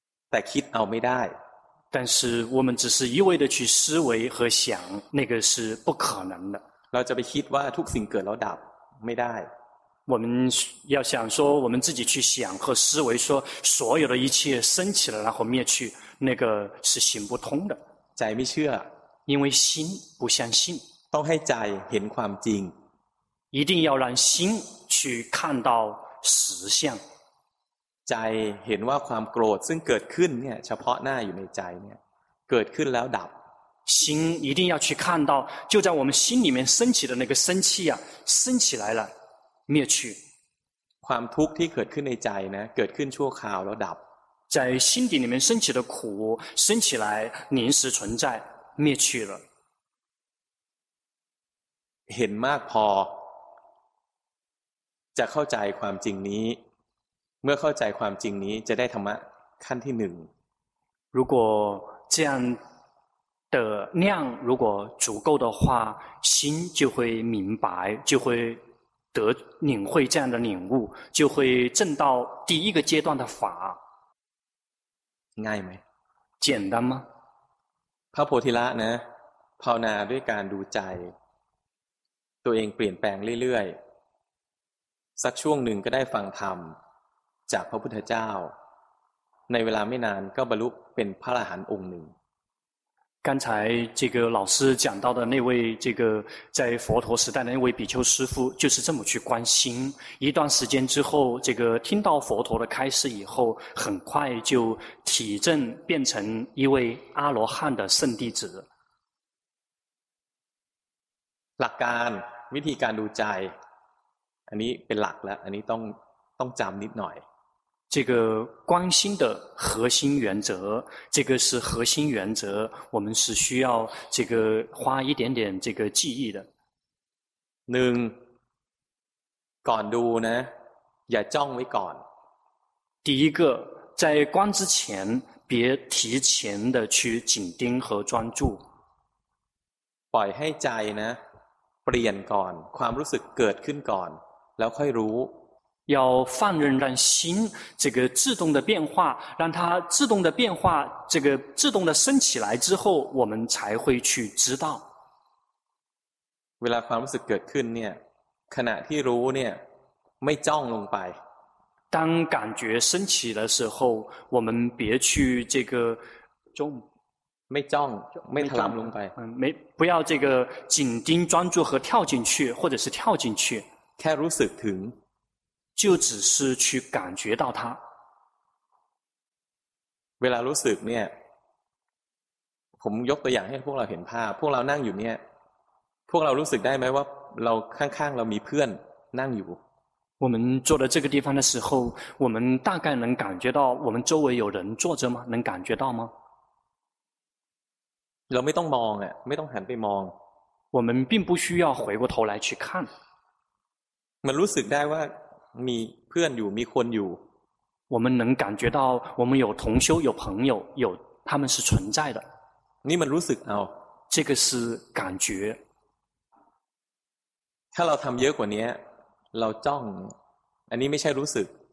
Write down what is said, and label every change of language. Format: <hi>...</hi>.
<th>แต่คิดเอาไม่ได้</th> <zh>但是我们只是一味的去思维和想那个是不可能的</zh> <th>เราจะไปคิดว่าทุกสิ่งเกิดแล้วดับไม่ได้</th> <zh>我们要想说我们自己去想和思维说所有的一切升起了然后灭去那个是行不通的</zh> <th>ใจไม่เชื่อ</th> <zh>因为心不相信</zh> <th>ต้องให้ใจเห็นความจริง</th> <zh>一定要让心去看到实相</zh> <th>ใจเห็นว่าความโกรธซึ่งเกิดขึ้นเนี่ยเฉพาะหน้าอยู่ในใจเนี่ยเกิดขึ้นแล้วดับ</th> <zh>心一定要去看到就在我们心里面升起的那个生气啊升起来了灭去</zh> <th>ความทุกข์ที่เกิดขึ้นในใจนะเกิดขึ้นชั่วคราวแล้วดับ</th> <zh>在心底里面升起的苦升起来临时存在灭去了</zh> <th>เห็นมากพอจะเข้าใจความจริงนี้เมื่อเข้าใจความจริงนี้จะได้ธรรมะขั้นที่หนึ่ง</th> <zh>如果这样的量如果足够的话心就会明白就会得领会这样的领悟，就会证到第一个阶段的法。</zh> <th>ง่ายไหม？</th> <zh>简单吗？</zh> <th>พระโพธิละนะภาวนาด้วยการดูใจตัวเองเปลี่ยนแปลงเรื่อยๆสักช่วงหนึ่งก็ได้ฟังธรรมจากพระพุทธเจ้าในเวลาไม่นานก็บรรลุเป็นพระอรหันต์องค์หนึ่ง</th> <zh>刚才这个老师讲到的那位这个在佛陀时代的那位比丘师父就是这么去观心，一段时间之后这个听到佛陀的开示以后，很快就体证变成一位阿罗汉的圣弟子。</zh> <th>หลักการวิธีการดูใจอันนี้เป็นหลักแล้วอันนี้ต้องจำนิดหน่อย</th> <zh>这个观心的核心原则，这个是核心原则，我们是需要这个花一点点这个记忆的。</zh> <th>1ก่อนดูนะอย่าจ้องไว้ก่อน。</th> <zh>第一个，在观之前别提前的去紧盯和专注。</zh> <th>ปล่อยให้ใจนะเปลี่ยนก่อนความรู้สึกเกิดขึ้นก่อนแล้วค่อยรู้</th> <zh>要放任让心这个自动的变化，让它自动的变化，这个自动的升起来之后，我们才会去知道。</zh> <th>เวลาความรู้สึกเกิดขึ้นเนี่ยขณะที่รู้เนี่ยไม่จ้องลงไป。</th> <zh>当感觉升起的时候，我们别去这个</zh> <th>中，ไม่จ้องไม่ถลำลงไป。</th> <zh>没不要这个紧盯专注和跳进去，或者是跳进去。</zh> <th>แค่รู้สึกถึง。</th> <zh>就只是去感觉到它。</zh> <th>เวลารู้สึกเนี่ยผมยกตัวอย่างให้พวกเราเห็นภาพพวกเรานั่งอยู่เนี่ยพวกเรารู้สึกได้ไหมว่าเราข้างๆเรามีเพื่อนนั่งอยู่</th> <zh>我们坐在这个地方的时候我们大概能感觉到我们周围有人坐着吗能感觉到吗</zh> <th>เราไม่ต้องมองอ่ะไม่ต้องหันไปมอง</th> <zh>我们并不需要回过头来去看</zh> <th>มันรู้สึกได้ว่ามีเพื่อนอยู่มีคนอยู่</th> <zh>我们能感觉到我们有同修有朋友有他们是存在的</zh> <th>นี่มันรู้สึกเอา</th> <zh>这个是感觉</zh> <th>ถ้าเราทำเยอะกว่านี้เราจ้องอันนี้ไม่ใช่รู้สึก</th>